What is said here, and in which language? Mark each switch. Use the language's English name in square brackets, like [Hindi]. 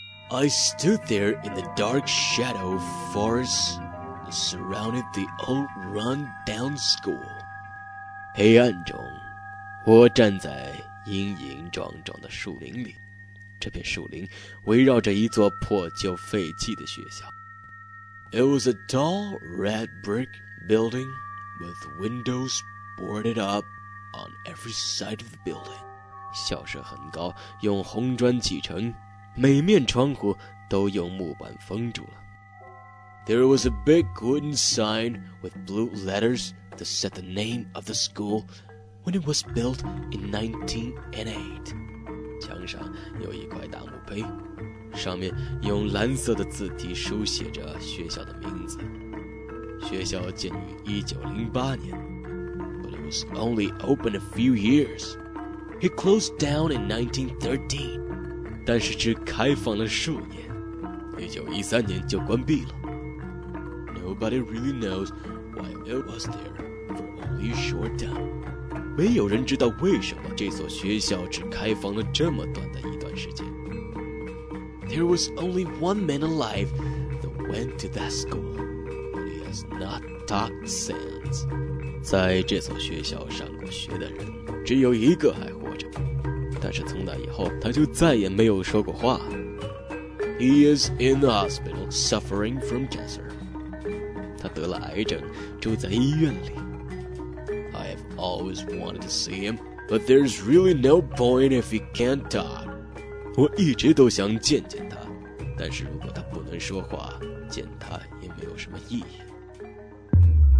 [English] I stood there in the dark shadow of forests that surrounded the old run-down school. [Chinese] 黑暗中，我站在阴阴壮壮的树林里。这片树林围绕着一座破旧废弃的学校。 [English] It was a tall red brick building with windows boarded up on every side of the building. [Chinese] 校舍很高，用红砖砌成，每面窗户都用木板封住了。 There was a big wooden sign with blue letters that said the name of the school when it was built in 1908. 墙上有一块大墓碑，上面用蓝色的字体书写着学校的名字。学校建于1908年 [English] ，but it was only open a few years. It closed down in 1913, [Chinese] 但是只开放了数年，1913年就关闭了。 [English] Nobody really knows why it was there for only a short time. [Chinese] 没有人知道为什么这所学校只开放了这么短的一段时间。 [English] There was only one man alive that went to that school, but he has not talked since. [Chinese] 在这所学校上过学的人只有一个还活着，但是从那以后他就再也没有说过话。 [English] He is in the hospital suffering from cancer. [Chinese] 他得了癌症，住在医院里。 [English] I have always wanted to see him, but there's really no point if he can't talk. [Chinese] 我一直都想见见他，但是如果他不能说话，见他也没有什么意义。